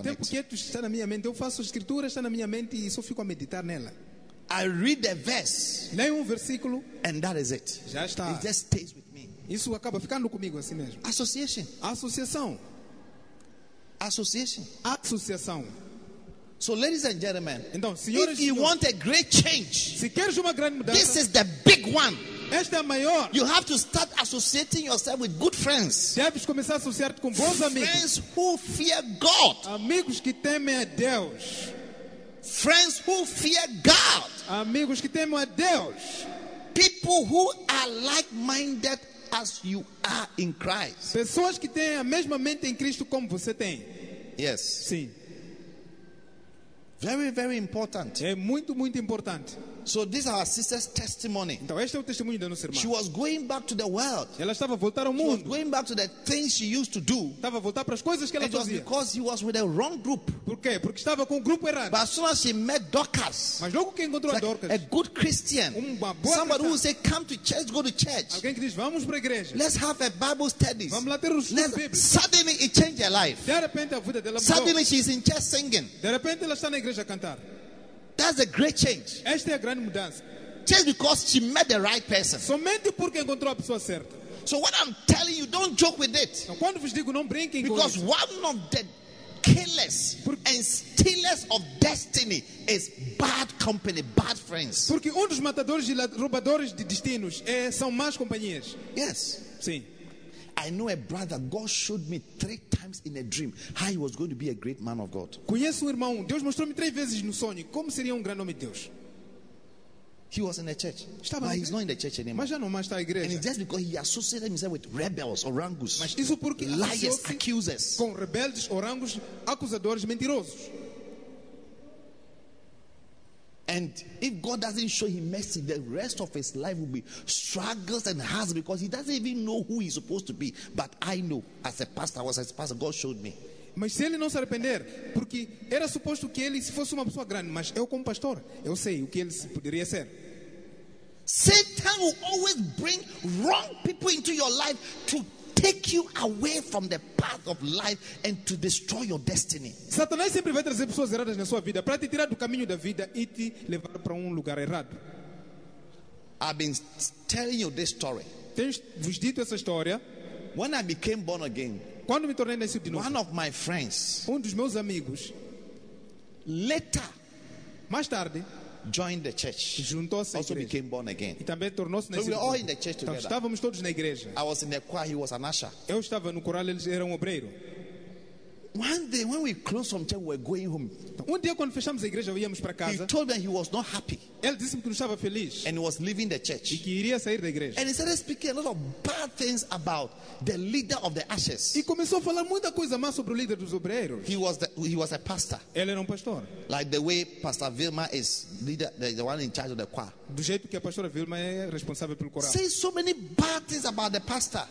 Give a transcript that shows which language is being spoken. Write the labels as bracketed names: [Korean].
[Portuguese] O tempo quieto está na minha mente. Eu faço a escritura, está na minha mente e só fico a meditar nela. [English] I read the verse. [Portuguese] Leio um versículo. [English] And that is it. [Portuguese] Já está. [English] It just stays with me. [Portuguese] Isso acaba ficando comigo assim mesmo. [English] Association. [Portuguese] Associação. [English] Association. [Portuguese] Associação. [English] So, ladies and gentlemen, [Portuguese] então, senhores, [English] if you want a great change, [Portuguese] se queres uma grande mudança, [English] this is the big one. [Portuguese] Esta é a maior. [English] You have to start associating yourself with good friends. [Portuguese] Deves começar a associar-te com bons amigos. [English] Friends who fear God. [Portuguese] Amigos que temem a Deus. [English] Friends who fear God. [Portuguese] Amigos que temem a Deus. [English] People who are like-minded as you are in Christ. [Portuguese] Pessoas que têm a mesma mente em Cristo como você tem. [English] Yes. [Portuguese] Sim. [English] Very, very important. [Portuguese] É muito, muito importante. [English] So this is our sister's testimony. [Portuguese] Então este é o testemunho da nossa irmã. [English] She was going back to the world. [Portuguese] Ela estava a voltar ao mundo. [English] She was going back to the things she used to do. [Portuguese] Estava a voltar para as coisas que ela [English] it [Portuguese] fazia. [English] It was because she was with the wrong group. [Portuguese] Por quê? Porque estava com o grupo errado. [English] But as soon as she met Dorcas. [Portuguese] Mas logo que encontrou [English] like [Portuguese] a Dorcas. [English] A good Christian. [Portuguese] Uma boa [English] somebody [Portuguese] cristã. [English] Who say come to church, go to church. [Portuguese] Alguém que diz vamos para a igreja. [English] Let's have a Bible studies. [Portuguese] Vamos lá ter um estudo bíblico. [English] Suddenly it changed her life. [Portuguese] De repente a vida dela mudou. [English] Suddenly she is in church singing. [Portuguese] De repente ela está na igreja a cantar. [English] That's a great change. [Portuguese] Esta é a grande mudança. [English] Just because she met the right person. [Portuguese] Somente porque encontrou a pessoa certa. [English] So what I'm telling you, don't joke with it. [Portuguese] Então, quando vos digo, não brinque com isso. [English] Because one of the killers and stealers of destiny is bad company, bad friends. [Portuguese] Porque um dos matadores e roubadores de destinos são más companhias. [English] Yes. [Portuguese] Sim. [English] I know a brother, God showed me 3 times in a dream how he was going to be a great man of God. [Portuguese] Conheço um irmão, Deus mostrou-me 3 vezes no sonho como seria um grande homem de Deus. [English] He was in a church. [Portuguese] Estava [English] but he's not in the church anymore. [Portuguese] Mas já não mais está a igreja. [English] And it's just because he associated himself with rebels, orangos. [Portuguese] Mas isso porque [English] liars, accusers. [Portuguese] Com rebeldes, orangos, acusadores, mentirosos. [English] And if God doesn't show him mercy, the rest of his life will be struggles and hurts because he doesn't even know who he's supposed to be. But I know, as a pastor, God showed me. [Portuguese] Mas se ele não se arrepender, porque era suposto que ele se fosse uma pessoa grande, mas eu como pastor, eu sei o que ele poderia ser. [English] Satan will always bring wrong people into your life to take you away from the path of life and to destroy your destiny. [Portuguese] Satanás sempre vai trazer pessoas erradas na sua vida para te tirar do caminho da vida e te levar para lugar errado. [English] I've been telling you this story. [Portuguese] Tenho-vos dito essa história. [English] When I became born again, [Portuguese] quando me tornei nascido de novo, [English] one of my friends, [Portuguese] um dos meus amigos, [English] later, [Portuguese] mais tarde, [English] joined the church. [Portuguese] Juntou-se [English] also became born again. [Portuguese] E também tornou-se [English] so we were all in the church together. [Portuguese] Então, estávamos todos na igreja. [English] I was in the choir, he was an usher. [Portuguese] Eu estava no coral, ele era um obreiro. [English] One day when we closed from church, we were going home. [Portuguese] Então, um dia quando fechamos a igreja, íamos para casa. [English] He told me he was not happy. [Portuguese] Ele disse-me que não estava feliz. [English] And he was leaving the church. [Portuguese] E que iria sair da igreja. [English] And he started speaking a lot of bad things about the leader of the ashes. [Portuguese] E começou a falar muita coisa má sobre o líder dos obreiros. [English] He was a pastor. [Portuguese] Ele era um pastor. [English] Like the way Pastor Vilma is leader, the one in charge of the choir. [Portuguese] Do jeito que a pastora Vilma é responsável pelo coral. [English] Say so many bad things about the pastor.